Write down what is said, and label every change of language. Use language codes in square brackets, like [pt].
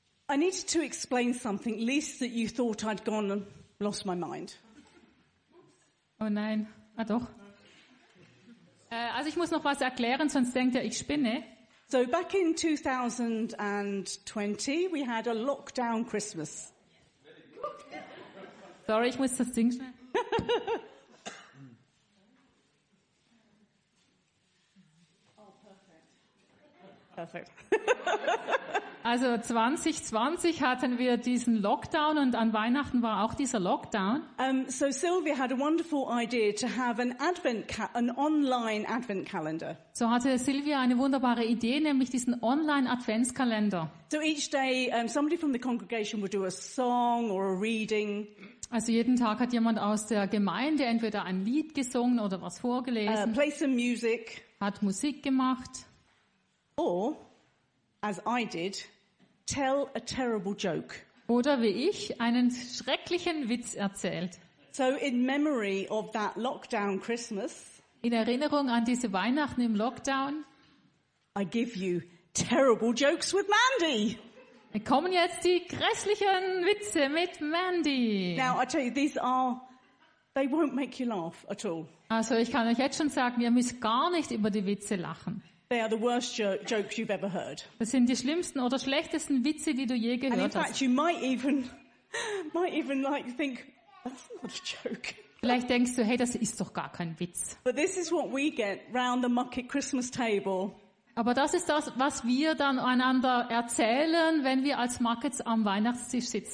[en] I need to explain something, at least that you thought I'd gone and lost my mind. [de] Oh nein, ah doch. Also ich muss noch was erklären, sonst denkt ihr, ich spinne. [en] So back in 2020, we had a lockdown Christmas. [de] Sorry, ich muss das Ding schnell. Perfekt. Also 2020 hatten wir diesen Lockdown und an Weihnachten war auch dieser Lockdown. [en] So Sylvia had a wonderful idea to have an online Advent calendar. [de] So hatte Sylvia eine wunderbare Idee, nämlich diesen Online Adventskalender. [en] So each day somebody from the congregation would do a song or a reading. [de] Also jeden Tag hat jemand aus der Gemeinde entweder ein Lied gesungen oder was vorgelesen. [en] Play some music. [de] Hat Musik gemacht. [en] Or, as I did, tell a terrible joke. [de] Oder wie ich einen schrecklichen Witz erzählt. [en] So in memory of that lockdown Christmas. [de] In Erinnerung an diese Weihnachten im Lockdown. [en] I give you terrible jokes with Mandy. [de] Kommen jetzt die grässlichen Witze mit Mandy. [en] Now I tell you, they won't make you laugh at all. [de] Also ich kann euch jetzt schon sagen, ihr müsst gar nicht über die Witze lachen. [en] They are the worst jokes you've ever heard. [de] Das sind die schlimmsten oder schlechtesten Witze, die du je gehört hast. [en] And in fact, you might even like think that's not a joke. [de] Vielleicht denkst du, hey, das ist doch gar kein Witz. [en] But this is what we get round the Muckett Christmas table. [de] Aber das ist das, was wir dann einander erzählen, wenn wir als Muckets am Weihnachtstisch sitzen.